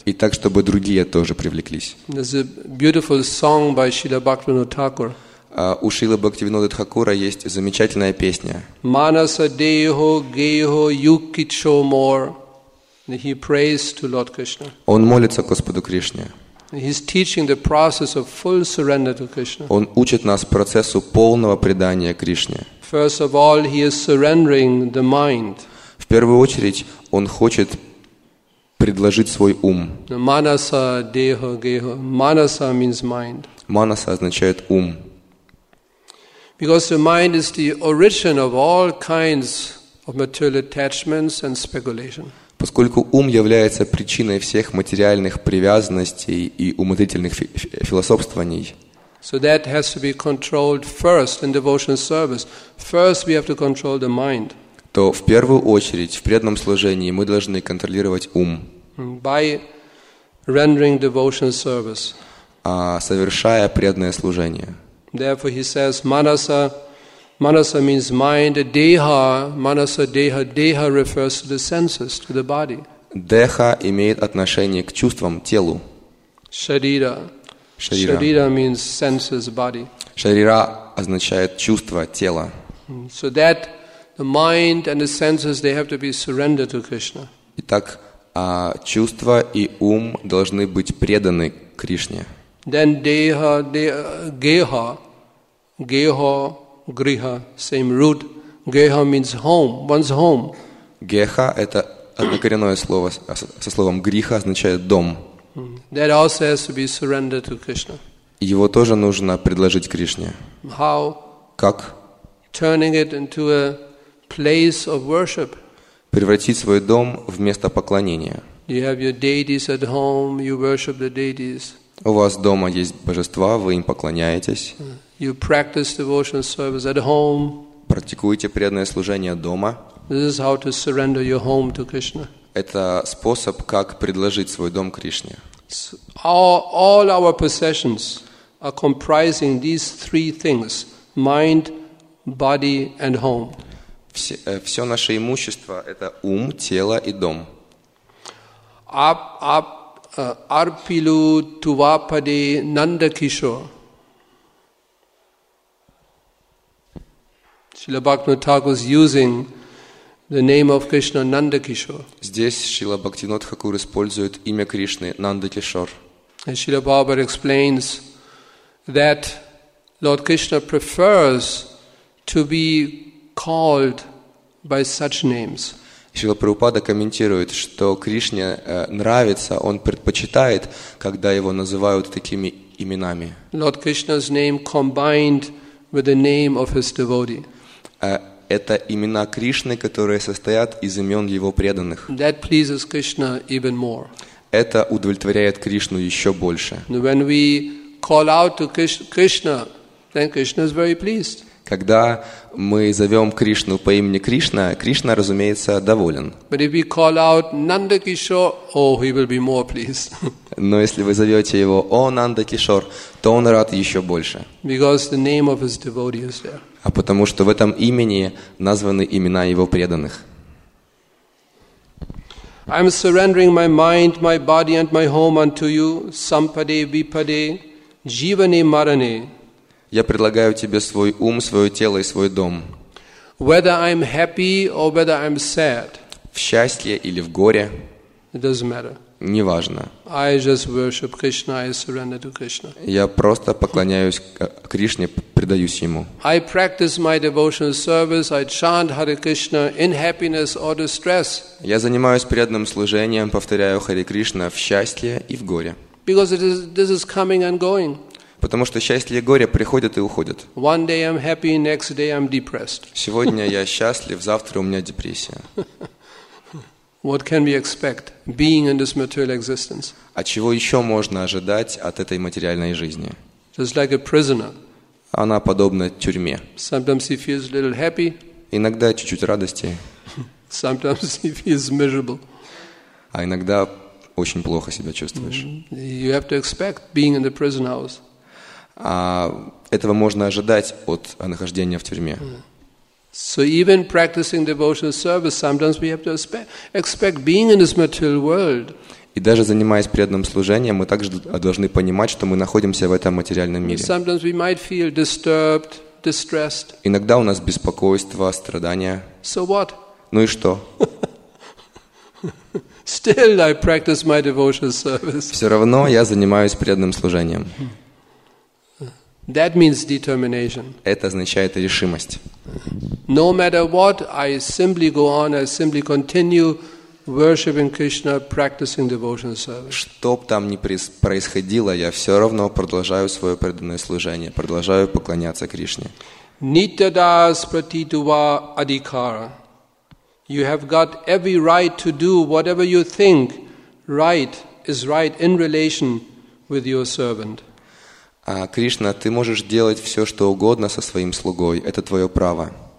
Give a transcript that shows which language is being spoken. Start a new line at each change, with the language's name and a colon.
Russian: И так, чтобы другие тоже привлеклись.
English: There's a beautiful song by Srila Bhaktivinoda Thakur.
Russian: У Шрилы Бхактивинода Тхакура есть замечательная песня.
Bangla: Манаса дейхо гейхо юкичо мор.
English: He prays to Lord Krishna.
Russian: Он молится Господу Кришне.
English: He's teaching the process of full surrender to Krishna.
Russian: Он учит нас процессу полного предания Кришне.
English: First of all, he is surrendering the mind.
Russian: В первую очередь, он хочет предложить свой ум.
Bangla: Manasa deho geho.
English: Manasa means mind.
Russian: Manasa означает ум.
English: Because the mind is the origin of all kinds of material attachments and speculation.
Russian: Поскольку ум является причиной всех материальных привязанностей и умозрительных философствований.
English: So that has to be controlled first in devotional service. First we have to control the mind.
Russian: То в первую очередь в преданном служении мы должны контролировать ум.
English: By rendering devotional service.
Russian: Совершая преданное служение.
English: Therefore he says manasa. Manasa means mind. Deha, manasa deha. Deha refers to the senses, to the body.
Russian: Deha имеет отношение к чувствам, телу.
English: Sharira.
Russian: Sharira.
English: Sharira means senses, body.
Russian: Sharira означает чувства, тело.
English: So that the mind and the senses they have to be surrendered to Krishna.
Russian: Итак, чувства и ум должны быть преданы Кришне.
English: Then deha, geha, geho. Griha, same root. Geha means home, one's home.
Russian: Geha – это однокоренное слово со словом griha, означает дом.
English: That also has to be surrendered to Krishna.
Russian: Его тоже нужно предложить Кришне.
English: How?
Russian: Как?
English: Turning it into a place of worship.
Russian: Превратить свой дом в место поклонения.
English: You have your deities at home, you worship the deities.
Russian: У вас дома есть божества, вы им поклоняетесь.
English: You practice devotional service at home.
Russian: Практикуете преданное служение дома.
English: This is how to surrender your home to Krishna.
Russian: Это способ, как предложить свой дом Кришне.
English: All our possessions are comprising these three things: mind, body and home.
Russian: Всё наше имущество это ум, тело и дом.
Bangla: Arpilu tuvapade nandakishor.
English: Srila Bhaktivinoda Thakur is using the name of Krishna Nandakishor.
Russian: Здесь Шрила Бхактивинода Тхакур использует имя Кришны Нандакишор.
English: Srila Prabhupada explains that Lord Krishna prefers to be called by such names.
Russian: Шрила Прабхупада комментирует, что Кришне нравится, он предпочитает, когда его называют такими именами.
English: Lord Krishna's name combined with the name of his devotee.
Russian: Это имена Кришны, которые состоят из имен его преданных.
English: That pleases Krishna even more.
Russian: Это удовлетворяет Кришну еще больше.
English: When we call out to Krishna, then Krishna is very pleased.
Russian: Когда мы зовем Кришну по имени Кришна, Кришна, разумеется, доволен.
English: But if we call out Nandakishor, oh, he will be more pleased.
Russian: Но если вы зовете его, о, Нандакишор, то он рад еще больше.
English: Because the name of his devotee is there.
Russian: А потому что в этом имени названы имена его преданных.
English: I am surrendering my mind, my body and my home unto you,
Bangla: sampade, vipade, jivane, marane.
Russian: Я предлагаю тебе свой ум, свое тело и свой дом.
English: Whether I'm happy or whether I'm sad.
Russian: В счастье или в горе.
English: It doesn't matter.
Russian: Неважно.
English: I just worship Krishna, I surrender to Krishna.
Russian: Я просто поклоняюсь Кришне, предаюсь ему.
English: I practice my devotional service, I chant Hare Krishna in happiness or distress.
Russian: Я занимаюсь преданным служением, повторяю Хари Кришна в счастье и в горе.
English: Because this is coming and going.
Russian: Потому что счастье и горе приходят и уходят.
English: One day I'm happy, next day I'm depressed.
Russian: Сегодня я счастлив, завтра у меня депрессия.
English: What can we expect being in this material existence?
Russian: А чего еще можно ожидать от этой материальной жизни?
English: Just like a prisoner.
Russian: Она подобна тюрьме.
English: Sometimes he feels a little happy.
Russian: Иногда чуть-чуть радости.
English: Sometimes he feels miserable.
Russian: А иногда очень плохо себя чувствуешь.
English: You have to expect being in the prison house.
Russian: А этого можно ожидать от нахождения в тюрьме.
English: So even practicing devotional service, sometimes we have to expect being in this material world.
Russian: И даже занимаясь преданным служением, мы также должны понимать, что мы находимся в этом материальном мире.
English: Sometimes we might feel disturbed, distressed.
Russian: Иногда у нас беспокойство, страдания.
English: So what?
Russian: Ну и что?
English: Still I practice my devotional service.
Russian: Все равно я занимаюсь преданным служением.
English: That means determination.
Russian: Это означает решимость.
English: No matter what, I simply go on, I simply continue worshiping Krishna, practicing devotional service.
Russian: Что бы там ни происходило, я все равно продолжаю свое преданное служение, продолжаю поклоняться Кришне.
Bangla: Nityadas pratituva adhikara.
English: You have got every right to do whatever you think right is right in relation with your servant.
Russian: Кришна, ты можешь делать все, что угодно со своим слугой. Это твое право.